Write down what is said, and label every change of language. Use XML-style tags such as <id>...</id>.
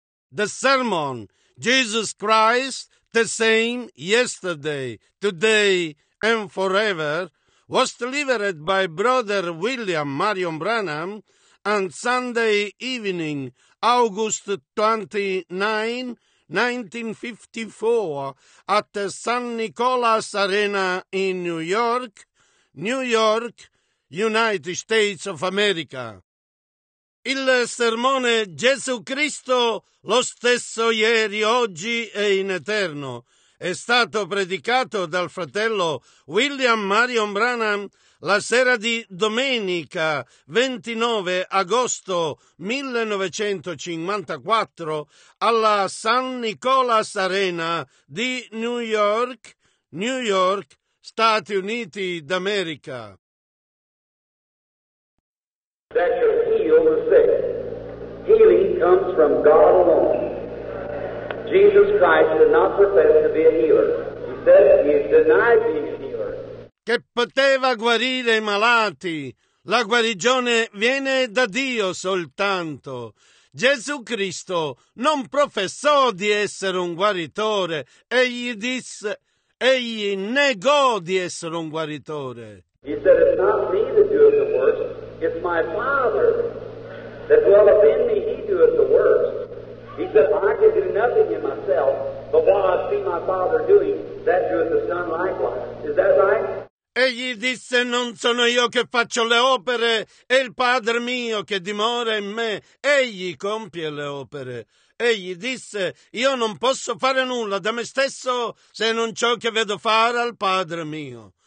<en>the sermon, Jesus Christ, the same yesterday, today, and forever, was delivered by Brother William Marion Branham on Sunday evening, August 29, 1954, at San Nicolas Arena in New York, New York, United States of America.</en> <it>Il sermone Gesù Cristo, lo stesso ieri, oggi e in eterno, è stato predicato dal fratello William Marion Branham la sera di domenica 29 agosto 1954 alla San Nicolas Arena di New York, New York, Stati Uniti d'America.</it> <en>That shall heal the sick. Healing comes from God alone. Jesus Christ did not profess to be a healer. He said he is denied being a healer.</en> <it>Che poteva guarire i malati. La guarigione viene da Dio soltanto. Gesù Cristo non professò di essere un guaritore. Egli negò di essere un guaritore.</it> <en>He said, it's not me that doeth the worst, it's my Father that dwelleth in me, he doeth the worst. He said, I can do nothing in myself, but what I see my Father doing, that doeth the Son likewise. Is that right?</en> <it>Egli disse, non sono io che faccio le opere, è il Padre mio che dimora in me. Egli compie le opere. Egli disse, io non posso fare nulla da me stesso se non ciò che vedo fare al Padre mio.</it>